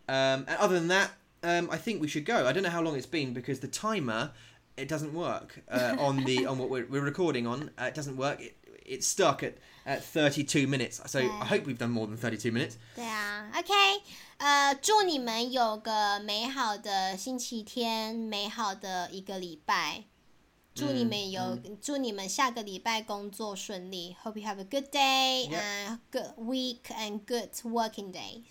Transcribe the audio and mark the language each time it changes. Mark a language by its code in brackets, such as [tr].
[en] And other than that, I think we should go. I don't know how long it's been because the timer, it doesn't work on what we're recording on. It doesn't work. It's stuck at 32 minutes. So I hope we've done more than 32 minutes. [zh] 对啊 ,okay. 祝你们有个美好的星期天，美好的一个礼拜。祝你们有祝你们下个礼拜工作顺利。 [en] Hope you have a good day, good week, and good working days.